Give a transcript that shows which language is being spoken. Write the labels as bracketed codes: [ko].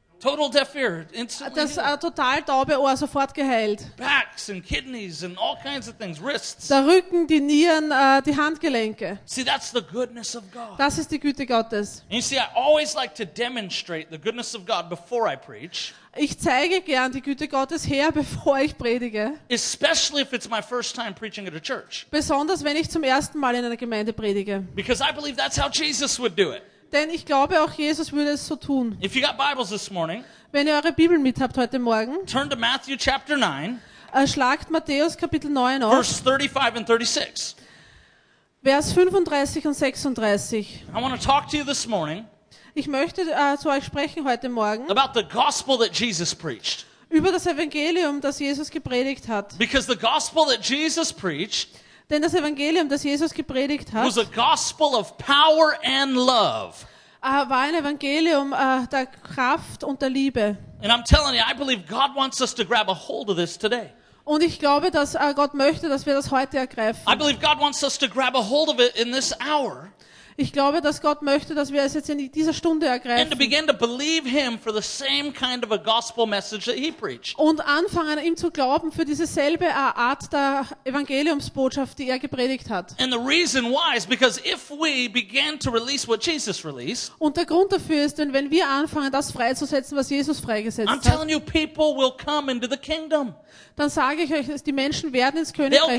[en] Total deaf ear instantly [de] das [en] healed. [de] Total taube Ohr sofort geheilt. [en] Backs and kidneys and all kinds of things, wrists. [de] Der Rücken, die Nieren, die Handgelenke. [en] See, that's the goodness of God. [de] Das ist die Güte Gottes. [en] And you see, I always like to demonstrate the goodness of God before I preach. [de] Ich zeige gern die Güte Gottes her, bevor ich predige. [en] Especially if it's my first time preaching at a church. [de] Besonders wenn ich zum ersten Mal in einer Gemeinde predige. [en] Because I believe that's how Jesus would do it. [de] Denn ich glaube, auch Jesus würde es so tun. [en] If you got Bibles this morning, [de] wenn ihr eure Bibel mit habt heute Morgen, [en] turn to Matthew chapter 9, [de] schlagt Matthäus Kapitel 9 auf, [en] verse 35 and 36. [de] Vers 35 und 36. [en] I want to talk to you this morning, [de] ich möchte zu euch sprechen heute Morgen [en] about the gospel that Jesus preached. [de] Über das Evangelium, das Jesus gepredigt hat. [en] Because the gospel that Jesus preached, [de] denn das Evangelium, das Jesus gepredigt hat, [en] was a gospel of power and love. [de] War ein Evangelium der Kraft und der Liebe. [en] And I'm telling you, I believe God wants us to grab a hold of this today. [de] Und ich glaube, dass Gott möchte, dass wir das heute ergreifen. [en] I believe God wants us to grab a hold of it in this hour. [de] Ich glaube, dass Gott möchte, dass wir es jetzt in dieser Stunde ergreifen. [en] And to begin to believe him for the same kind of a gospel message that he preached. [de] Und anfangen, ihm zu glauben für dieselbe Art der Evangeliumsbotschaft, die er gepredigt hat. [en] And the reason why is because if we begin to release what Jesus released. [de] Und der Grund dafür ist, denn wenn wir anfangen, das freizusetzen, was Jesus freigesetzt hat. [en] I'm telling you, people will come into the kingdom. [de] Dann sage ich euch, die Menschen werden ins Königreich kommen.